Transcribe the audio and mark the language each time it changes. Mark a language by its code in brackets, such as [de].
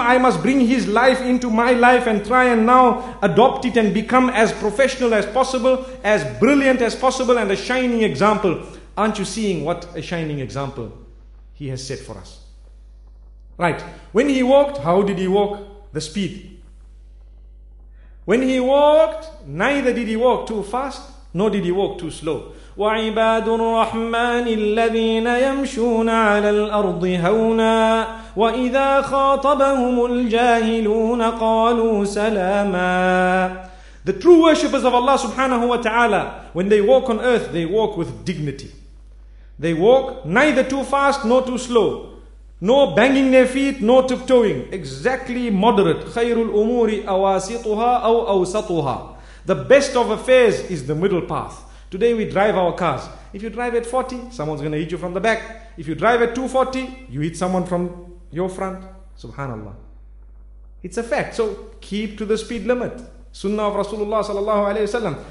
[en] I must bring his life into my life and try and now adopt it and become as professional as possible, as brilliant as possible, and a shining example. Aren't you seeing what a shining example he has set for us? Right. When he walked, how did he walk? The speed. When he walked, neither did he walk too fast, nor did he walk too slow. [ar] وعباد الرحمن الذين يمشون على الأرض هونا وإذا خاطبهم الجاهلون قالوا سلاما. [en] The true worshippers of Allah subhanahu wa ta'ala, when they walk on earth, they walk with dignity. They walk neither too fast nor too slow, nor banging their feet nor tiptoeing, exactly moderate. [ar] خير الأمور أواسطها أو أوسطها. [en] The best of affairs is the middle path. Today we drive our cars. If you drive at 40, someone's going to hit you from the back. If you drive at 240, you hit someone from your front. Subhanallah. It's a fact. So keep to the speed limit. Sunnah of Rasulullah sallallahu alaihi wasallam.